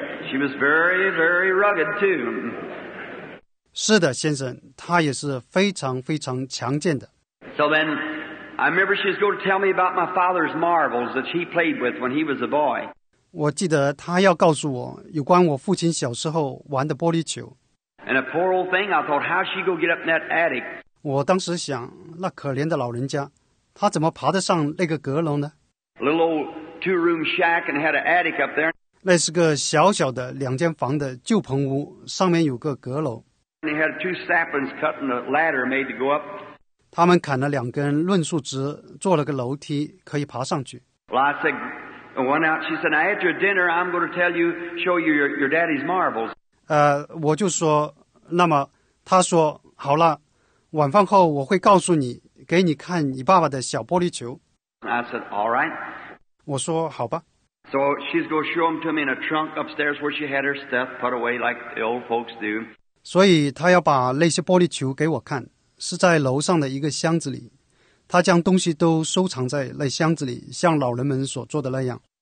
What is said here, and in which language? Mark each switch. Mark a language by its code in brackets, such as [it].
[en] She was very, very rugged too. [zh] 是的，先生，她也是非常非常强健的。 [en] So then. I remember she was going to tell me about my father's marbles that he played with when he was a boy. [zh] 我记得她要告诉我有关我父亲小时候玩的玻璃球。 [en] And a poor old thing, I thought, how's she going to get up in that attic? [zh] 我当时想，那可怜的老人家，她怎么爬得上那个阁楼呢？ [en] Little old two-room shack and had an attic up there. [zh] 那是个小小的两间房的旧棚屋，上面有个阁楼。 [en] And they had two saplings cut in a ladder made to go up. [zh] 他们砍了两根论树枝，做了个楼梯，可以爬上去。 [en] Well, I said, went out. She said, after dinner, I'm going to tell you, show you your daddy's marbles. [zh] 我就说，那么他说，好了，晚饭后我会告诉你，给你看你爸爸的小玻璃球。 [en] I said, all right. [zh] 我说，好吧。 [en] So she's going to show them to me in a trunk upstairs where she had her stuff put away like the old folks do. [zh] 所以他要把那些玻璃球给我看。是在楼上的一个箱子里，他将东西都收藏在那箱子里，像老人们所做的那样。